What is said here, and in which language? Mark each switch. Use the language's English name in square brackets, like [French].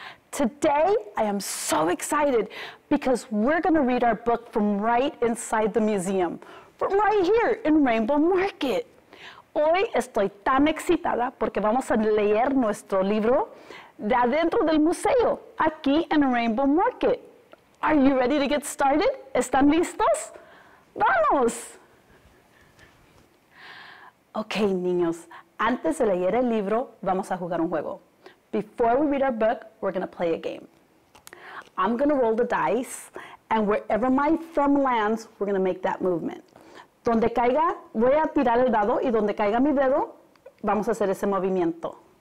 [English] Today, I am so excited because we're going to read our book from right inside the museum, from right here in Rainbow Market. [Spanish] Hoy estoy tan excitada porque vamos a leer nuestro libro de adentro del museo, aquí en Rainbow Market. [English] Are you ready to get started? [Spanish] ¿Están listos? ¡Vamos! Ok, niños, antes de leer el libro, vamos a jugar un juego. [English] Before we read our book, we're going to play a game. I'm going to roll the dice, and wherever my thumb lands, we're going to make that movement. [Spanish] Donde caiga, voy a tirar el dado, y donde caiga mi dedo, vamos a hacer ese movimiento.